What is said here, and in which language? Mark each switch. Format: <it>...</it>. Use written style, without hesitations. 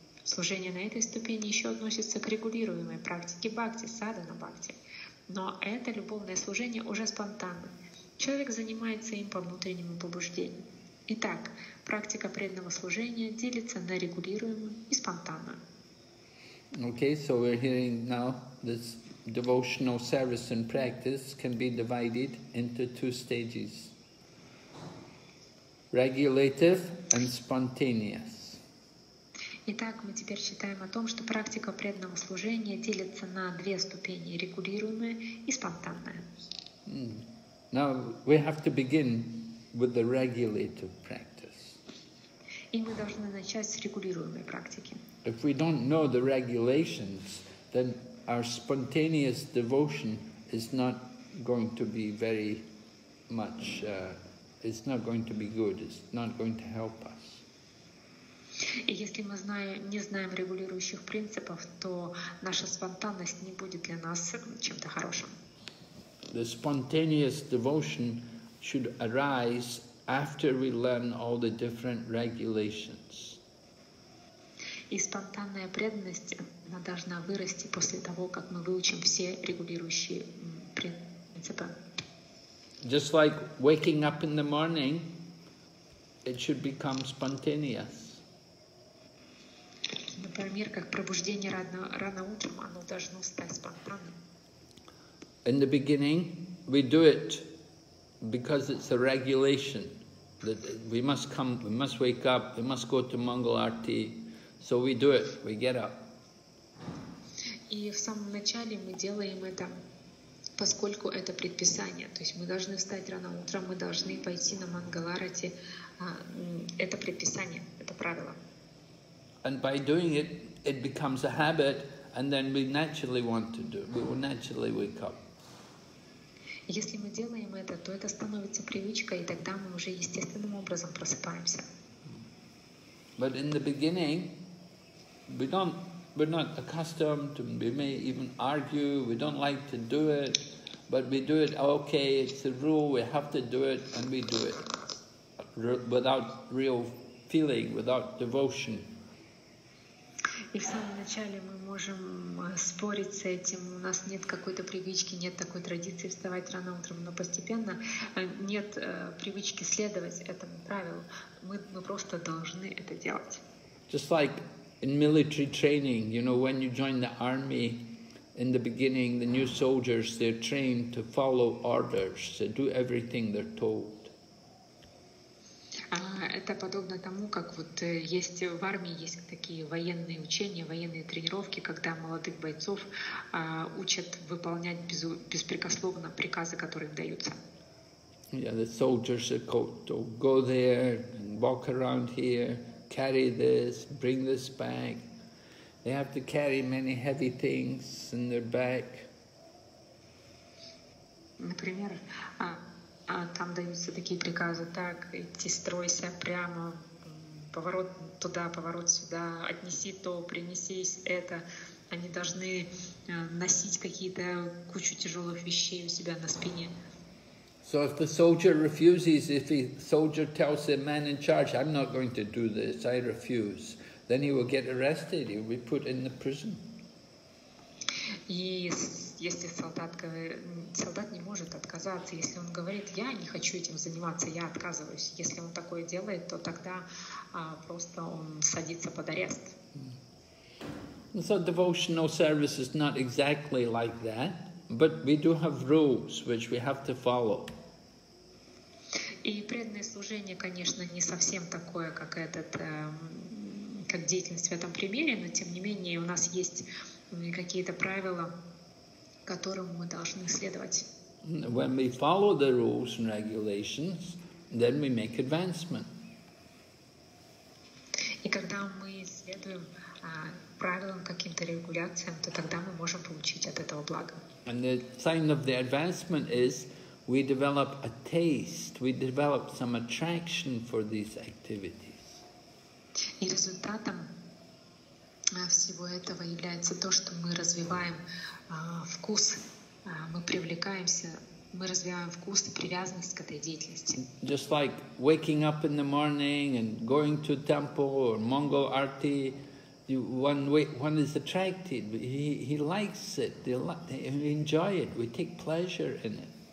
<ru>Служение на этой ступени еще относится к регулируемой практике бхакти, садхана бхакти. Но это любовное служение уже спонтанно. Человек занимается им по внутреннему побуждению. Итак, практика преданного служения делится на регулируемую и спонтанную.</ru> <en>Okay, so we're hearing now this devotional service and practice can be divided into two stages, regulative and spontaneous.</en> <ru>Итак, мы теперь читаем о том, что практика преданного служения делится на две ступени, регулируемая и спонтанная.</ru> <en>Now, we have to begin with the regulative practice.</en> <ru>И мы должны начать с регулируемой практики.</ru> <en>If we don't know the regulations, then our spontaneous devotion is not going to be very much, it's not going to be good, it's not going to help us.</en> <ru>И если мы не знаем регулирующих принципов, то наша спонтанность не будет для нас чем-то хорошим.</ru> <en>The spontaneous devotion should arise after we learn all the different regulations.</en> <ru>И спонтанная преданность, она должна вырасти после того, как мы выучим все регулирующие принципы.</ru> <en>Just like waking up in the morning, it should become spontaneous.</en> <ru>Например, как пробуждение рано утром, оно должно стать спонтанным.</ru> <en>In the beginning, we do it because it's a regulation that we must come, we must wake up, we must go to Mangal Arati. So we do it, we get up.</en> <ru>И в самом начале мы делаем это поскольку это предписание. То есть мы должны встать рано утром, мы должны пойти на Мангаларати. Это предписание, это правило.</ru> <en>And by doing it, it becomes a habit, and then we naturally want to do it. We will naturally wake up.</en> <ru>Если мы делаем это, то это становится привычкой, и тогда мы уже естественным образом просыпаемся.</ru> <en>But in the beginning, we're not accustomed, and we may even argue, we don't like to do it, but we do it, okay, it's the rule, we have to do it, and we do it without real feeling, without devotion.</en> <ru>И в самом начале мы можем спорить с этим, у нас нет какой-то привычки, нет такой традиции вставать рано утром, но постепенно нет привычки следовать этому правилу, мы просто должны это делать.</ru> <en>Just like in military training, you know, when you join the army, in the beginning, the new soldiers, they're trained to follow orders, to do everything they're told.</en> <ru>Это подобно тому, как вот есть в армии есть такие военные учения, военные тренировки, когда молодых бойцов учат выполнять беспрекословно приказы, которые им даются.</ru> <en>Yeah, the soldiers are called to go there, walk around here, carry this, bring this back. They have to carry many heavy things in their back.</en> <ru>Например, там даются такие приказы, так, идти, стройся прямо, поворот туда, поворот сюда, отнеси то, принеси это. Они должны носить какие-то кучу тяжелых вещей у себя на спине.</ru> <en>So if the soldier refuses, if the soldier tells the man in charge, I'm not going to do this, I refuse, then he will get arrested, he will be put in the prison.</en> <ru>И если солдат не может отказаться, если он говорит, я не хочу этим заниматься, я отказываюсь, если он такое делает, то тогда просто он садится под арест.</ru> <en>So devotional service is not exactly like that, but we do have rules which we have to follow.</en> <ru>И преданное служение, конечно, не совсем такое, как этот, как деятельность в этом примере, но тем не менее у нас есть какие-то правила, которым мы должны следовать.</ru> <en>When we follow the rules and regulations, then we make advancement.</en> <ru>И когда мы следуем правилам, каким-то регуляциям, то тогда мы можем получить от этого благо.</ru> <en>And the sign of the advancement is we develop a taste, we develop some attraction for these activities.</en> <ru>И результатом всего этого является то, что мы развиваем вкус, мы развиваем вкус и привязанность к этой деятельности.</ru> <en>Just like waking up in the morning and going to temple or Mongol Arti, one is attracted, he likes it, they enjoy it, we take pleasure in it.</en>